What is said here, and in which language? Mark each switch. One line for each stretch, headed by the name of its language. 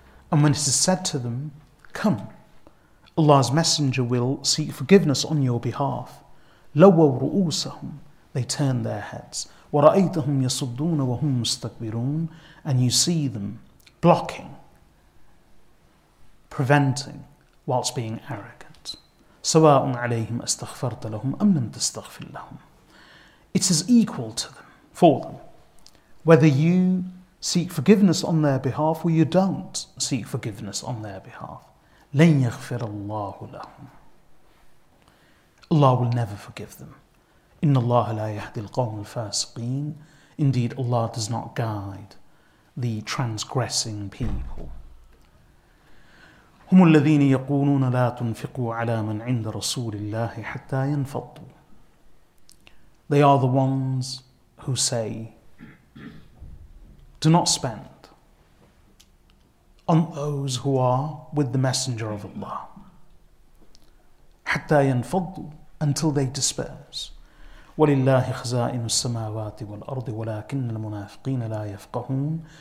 English: And when it is said to them, come, Allah's messenger will seek forgiveness on your behalf.
Arabic: لَوَّوْ رُؤُوسَهُمْ.
English: They turn their heads.
Arabic: وَرَأَيْتَهُمْ يَصُدُّونَ وَهُمْ مُسْتَكْبِرُونَ.
English: And you see them blocking, preventing, whilst being arrogant.
Arabic: سواء عليهم استغفرت لهم أم لم تستغفر لهم.
English: It is equal to them, for them, whether you seek forgiveness on their behalf or you don't seek forgiveness on their behalf.
Arabic: لن يغفر الله لهم.
English: Allah will never forgive them.
Arabic: إن الله لا يهدي القوم الفاسقين.
English: Indeed, Allah does not guide the transgressing people.
Arabic: هم الذين يقولون لا تنفقوا على من عند رسول الله حتى ينفضوا.
English: They are the ones who say, do not spend on those who are with the Messenger of Allah.
Arabic: حتى ينفضوا,
English: until they disperse.
Arabic: وَلِلَّهِ خَزَائِنُ السَّمَاوَاتِ وَالْأَرْضِ وَلَكِنَّ الْمُنَافِقِينَ لَا يَفْقَهُونَ.